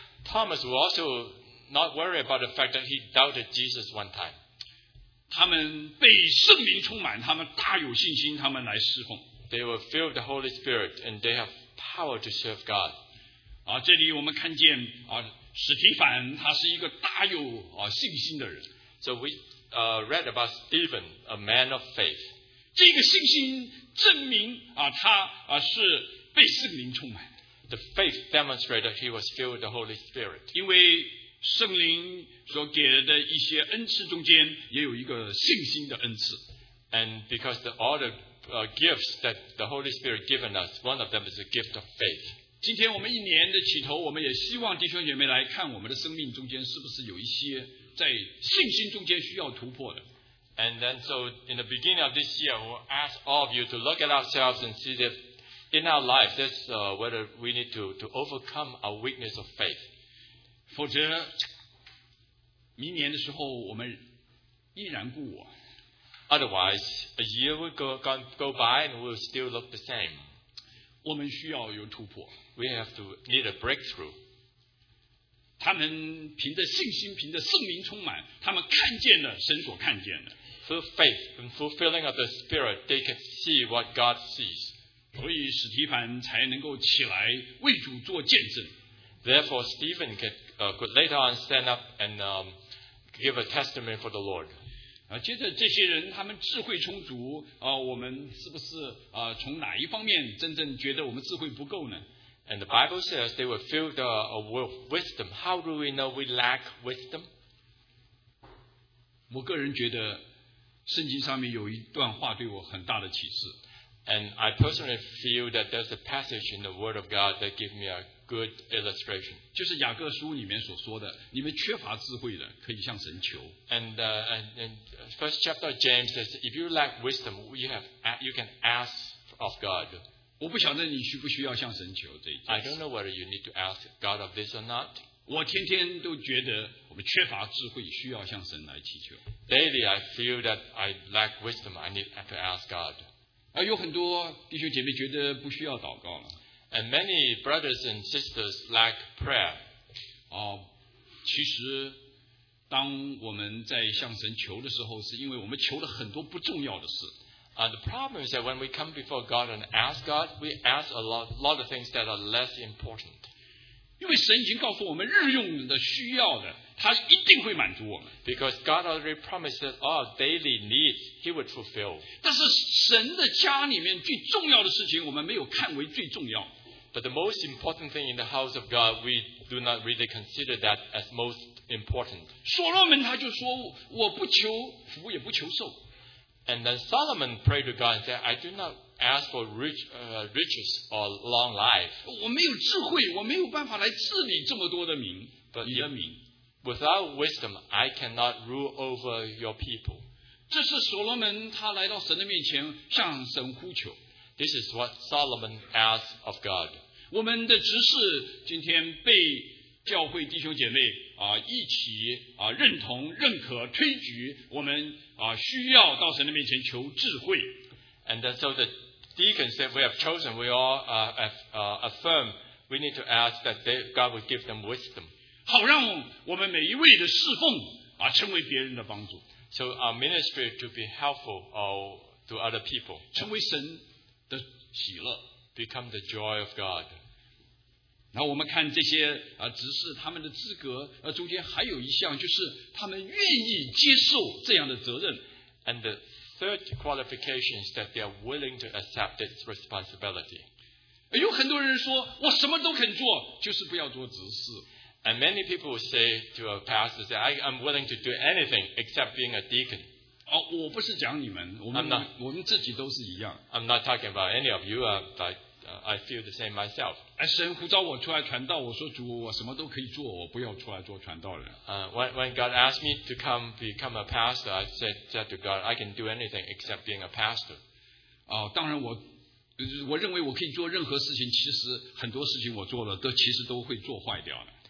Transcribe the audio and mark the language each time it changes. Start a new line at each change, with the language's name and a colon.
English: Thomas would also not worry about the fact that he doubted Jesus one time.
Chinese: 他们被圣灵充满，他们大有信心，他们来侍奉。
English: They were filled with the Holy Spirit and they have power to serve God.
Chinese: 这里我们看见史提凡他是一个大有信心的人。
English: So we read about Stephen, a man of faith.
Chinese: 这个信心证明他是被圣灵充满。
English: the faith demonstrated he was filled with the Holy Spirit.
Chinese: 因为圣灵所给的一些恩赐中间也有一个信心的恩赐。
English: And because the all the gifts that the Holy Spirit given us, one of them is the gift of faith.
Chinese: 今天我们一年的起头，我们也希望弟兄姐妹来看我们的生命中间是不是有一些在信心中间需要突破的。
English: And then so in the beginning of this year, we'll ask all of you to look at ourselves and see if in our life, that's whether we need to overcome our weakness of faith.
Chinese: 否则明年的时候我们依然故我。
English: Otherwise, a year will go by and we'll still look the same.
Chinese: 我们需要有突破。
English: We have to need a breakthrough.
Chinese: 他们凭着信心，凭着圣灵充满，他们看见了神所看见的。
English: Through faith and fulfilling of the Spirit, they can see what God sees.
Chinese: 所以使提凡才能够起来为主做见证。
English: Therefore, Stephen could later on stand up and give a testimony for the Lord.
Chinese: 接着这些人他们智慧充足，我们是不是从哪一方面真正觉得我们智慧不够呢？
English: And the Bible says they were filled with wisdom. How do we know we lack wisdom?
Chinese: 我个人觉得圣经上面有一段话对我很大的启示。
English: And I personally feel that there's a passage in the Word of God that gives me a good illustration.
Chinese: 就是雅各书里面所说的，你们缺乏智慧的，可以向神求。
English: And first chapter of James says, if you lack wisdom, you can ask of God.
Chinese: 我不晓得你需不需要向神求这一件事。
English: I don't know whether you need to ask God of this or not.
Chinese: 我天天都觉得我们缺乏智慧，需要向神来祈求。
English: Daily, I feel that I lack wisdom. I need to ask God.
Chinese: 而有很多弟兄姐妹觉得不需要祷告了。
English: And many brothers and sisters lack prayer.
Chinese: 其实当我们在向神求的时候，是因为我们求了很多不重要的事。
English: The problem is that when we come before God and ask God, we ask a lot of things that are less important.
Chinese: 因为神已经告诉我们日用的需要的，他一定会满足我们。
English: Because God already promises our daily needs, He would fulfill.
Chinese: 但是神的家里面最重要的事情，我们没有看为最重要。
English: But the most important thing in the house of God, we do not really consider that as most important.
Chinese: 所罗门他就说，我不求福，也不求寿。
English: And then Solomon prayed to God and said, I do not ask for riches or long life.
Chinese: 我没有智慧，我没有办法来治理这么多的民，你的民。
English: Without wisdom, I cannot rule over your people.
Chinese: 这是所罗门他来到神的面前向神呼求。
English: This is what Solomon asked of God.
Chinese: 我们的执事今天被教会弟兄姐妹一起认同、认可、推举，我们需要到神的面前求智慧。
English: And then, so the deacons said, "We have chosen. We all affirm. We need to ask that God would give them wisdom."
Chinese: 好让我们每一位的侍奉成为别人的帮助。
English: So our ministry to be helpful to other people.
Chinese: 成为神的喜乐。
English: Become the joy of God.
Chinese: 然后我们看这些执事他们的资格中间还有一项，就是他们愿意接受这样的责任。
English: And the third qualification is that they are willing to accept its responsibility.
Chinese: 有很多人说我什么都肯做，就是不要做执事。
English: And many people say to a pastor, say, I'm willing to do anything except being a deacon.
Chinese: 我不是讲你们，我们自己都是一样。
English: I'm not talking about any of you, but I feel the same myself.
Chinese: 神呼召我出来传道，我说主，我什么都可以做，我不要出来做传道人。
English: When God asked me to come become a pastor, I said to God, I can do anything except being a pastor.
Chinese: 当然我认为我可以做任何事情，其实很多事情我做了，都其实都会做坏掉的。